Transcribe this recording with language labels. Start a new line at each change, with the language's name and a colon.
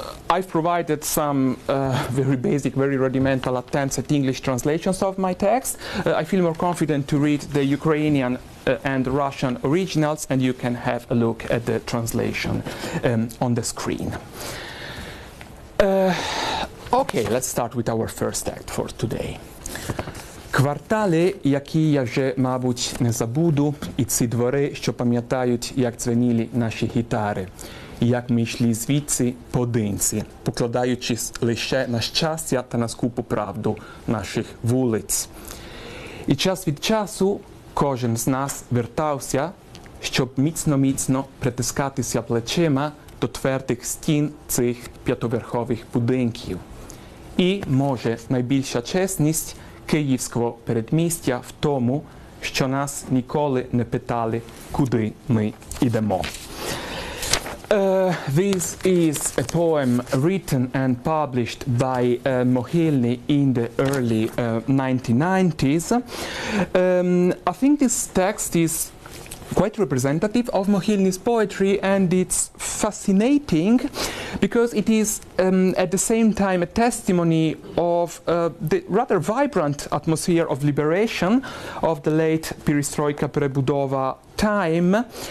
English: I've provided some very basic, very rudimental attempts at English translations of my text. I feel more confident to read the Ukrainian and Russian originals, and you can have a look at the translation on the screen. Okay, let's start with our first act for today.
Ukrainian: Квартали, які я вже, мабуть, не забуду, і ці двори, що пам'ятають, як дзвеніли наші гітари, як ми йшли звідси подинці, покладаючись лише на щастя та на скупу правду наших вулиць. І час від часу кожен з нас вертався, щоб міцно-міцно притискатися плечима до твердих стін цих п'ятоверхових будинків. І, може, найбільша чесність київського передмістя в тому, що нас ніколи не питали, куди ми йдемо.
English: This is a poem written and published by Mohylny in the early 1990s. I think this text is quite representative of Mohylny's poetry, and it's fascinating because it is at the same time a testimony of the rather vibrant atmosphere of liberation of the late Perestroika Prebudova time.